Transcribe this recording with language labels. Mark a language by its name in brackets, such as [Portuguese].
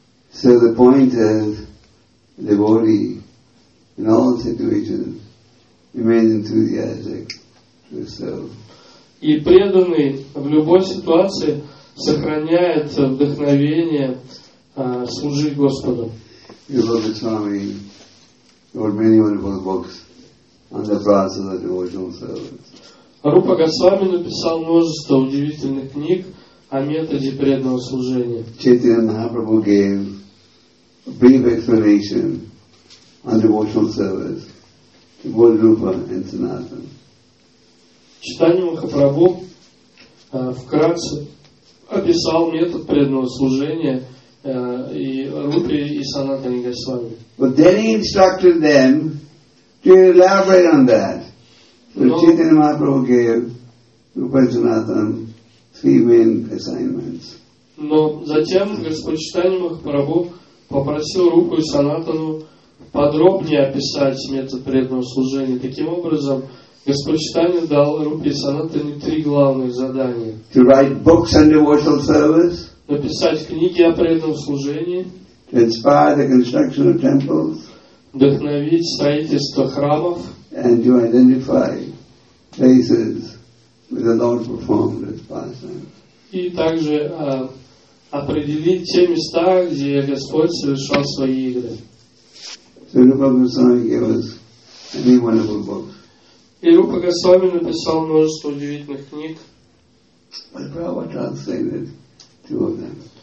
[English] So the point is, devotee in all situations remains enthusiastic to serve. [Russian] И преданный в любой ситуации сохраняет вдохновение служить Господу. [English] You know, the Swami wrote many wonderful books on the process of devotional service. [Russian] Рупа Госвами написал множество удивительных книг о методе преданного служения. [English] Chaitanya Mahaprabhu gave a brief explanation on devotional service to both Rupa and Sanatan. [Russian] Chaitanya Mahaprabhu вкратце описал метод преданного служения и Рупе, и Санатане Госвами. [English] But then he instructed them to elaborate on that. So Chaitanya Mahaprabhu gave Rupa and Sanatan three main assignments. [Russian] Но затем Господь Чайтанья Махапрабху попросил Рупу и Санатану подробнее описать метод преданного служения. Таким образом, Господь Чайтанья дал Рупе и Санатане три главных задания. [English] To write books on devotional service. [Russian] Написать книги о преданном служении. [English] To inspire the construction of temples. [Russian] Вдохновить строительство храмов. [English] And to identify places where the Lord performed his pastime. [Russian] И также определить те места, где Господь совершал свои игры. [English] So Rupa Goswami gave us many wonderful books. [Russian] И Рупа Госвами написал множество удивительных книг. [English] But Prabhupada translated two of them.